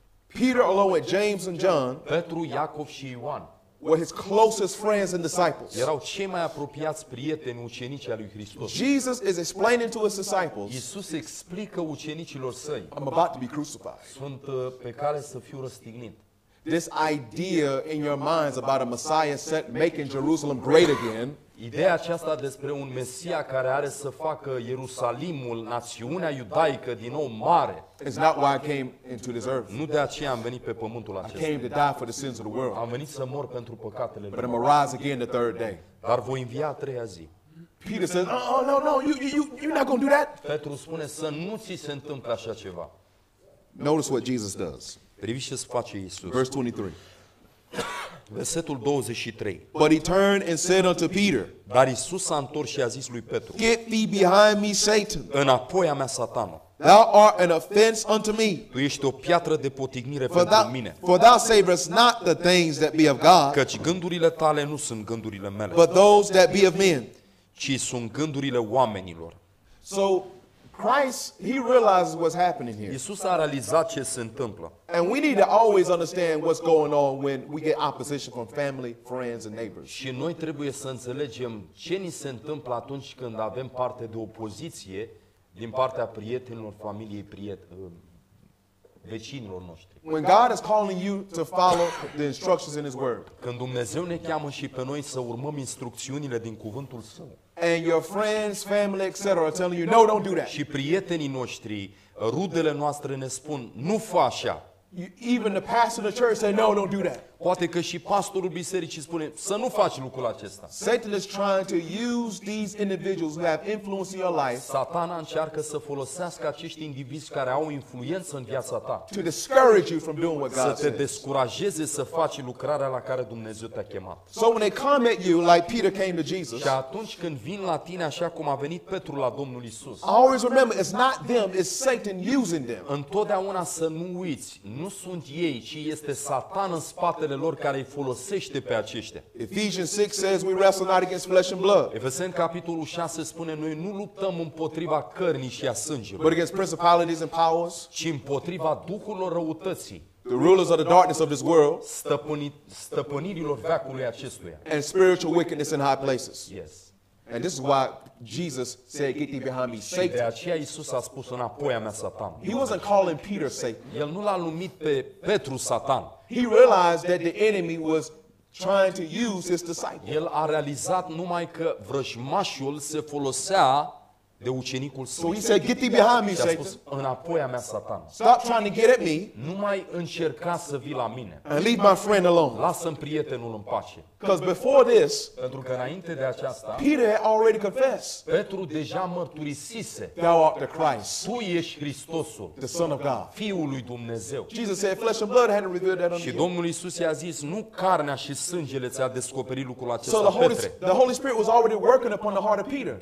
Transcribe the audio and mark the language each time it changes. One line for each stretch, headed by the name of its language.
English: Peter along with James and John.
Romanian: Petru, Iacov și Ioan
English: were his closest friends and disciples.
Romanian: Erau cei mai apropiați prieteni ucenicii al lui Hristos.
English: Jesus is explaining to his disciples.
Romanian: Iisus explică ucenicilor săi.
English: I'm about to be crucified.
Romanian: Sunt pe cale să fiu răstignit.
English: This idea in your minds about a Messiah set making Jerusalem great again.
Romanian: Ideea aceasta despre un Mesia care are să facă Ierusalimul, națiunea iudaică, din nou mare.
English: It's not why I came into this earth.
Romanian: Nu de aceea am venit pe pământul acesta.
English: I came to die for the sins of the world.
Romanian: Am venit să mor pentru păcatele lumii.
English: But I'm gonna rise again the third day.
Romanian: Dar voi învia a treia zi.
English: Peter says, no, you're not gonna do that.
Romanian: Petru spune să nu ți se întâmple așa ceva.
English: Notice what Jesus does.
Romanian: Priviți ce face Iisus.
English: Verse 23.
Romanian: Versetul 23.
English: But he turned and said unto Peter.
Romanian: Dar Iisus s-a întors și a zis lui Petru.
English: Get thee behind me, Satan.
Romanian: Înapoi a mea, Satano.
English: Thou art an offense unto me.
Romanian: Tu ești o piatră de potignire pentru mine.
English: For thou savest not the things that be of God.
Romanian: Căci gândurile tale nu sunt gândurile mele.
English: But those that be of men.
Romanian: Ci sunt gândurile oamenilor.
English: So Christ, he realizes what's happening here.
Romanian: Iisus a realizat ce se întâmplă.
English: And we need to always understand what's going on when we get opposition from family, friends and neighbors.
Romanian: Și noi trebuie să înțelegem ce ni se întâmplă atunci când avem parte de opoziție din partea prietenilor, familiei, vecinilor noștri.
English: When God is calling you to follow the instructions in his word.
Romanian: Când Dumnezeu ne cheamă și pe noi să urmăm instrucțiunile din cuvântul său.
English: And your friends, family, etc. are telling you, no, don't do that.
Romanian: Și prietenii noștri, rudele noastre ne spun, nu fă așa.
English: Even the pastor of the church say, no, don't do that.
Romanian: Poate că și pastorul bisericii spune să nu faci lucrul acesta.
English: Satan is trying to use these individuals who have influence in your life.
Romanian: Satana încearcă să folosească acești indivizi care au influență în viața ta.
English: To discourage you from doing what God says.
Romanian: Să te descurajeze să faci lucrarea la care Dumnezeu te-a chemat.
English: So when they come at you like Peter came to Jesus.
Romanian: Și atunci când vin la tine așa cum a venit Petru la Domnul Isus.
English: Always remember it's not them, it's Satan using them.
Romanian: Întotdeauna să nu uiți, nu sunt ei, ci este Satan în spate lor care îi folosește pe aceștia.
English: Ephesians 6 says we wrestle not against flesh and blood.
Romanian: Efeseni capitolul 6 spune noi nu luptăm împotriva cărnii și a sângelui.
English: But against principalities and powers.
Romanian: Ci împotriva duhurilor răutății.
English: The rulers of the darkness of this world.
Romanian: Stăpânirilor veacului acestuia.
English: And spiritual wickedness in high places. Yes. And this is why Jesus said, "Get thee behind me, Satan."
Romanian: De aceea Iisus a spus înapoi a mea Satan.
English: He wasn't calling Peter Satan.
Romanian: El nu l-a numit pe Petru Satan.
English: He realized that the enemy was trying to use his disciple.
Romanian: El a realizat numai că vrăjmașul se folosea de ucenicul său.
English: So he said, "Get thee behind me, Satan."
Romanian: Și a spus înapoi a mea Satan.
English: Stop trying to get at me.
Romanian: Nu mai încerca să vii la mine.
English: And leave my friend alone.
Romanian: Lasă-mi prietenul în pace.
English: Because before this,
Romanian: pentru că înainte de aceasta,
English: Peter had already confessed.
Romanian: Petru deja mărturisise.
English: Thou art the Christ.
Romanian: Tu ești Hristosul.
English: The Son of God.
Romanian: Fiul lui Dumnezeu.
English: Jesus said, "Flesh and blood hadn't revealed that unto you."
Romanian: Și Domnul Iisus i-a zis, nu carnea și sângele ți-a descoperit lucrul acesta, Petre.
English: The Holy Spirit was already working upon the heart of Peter.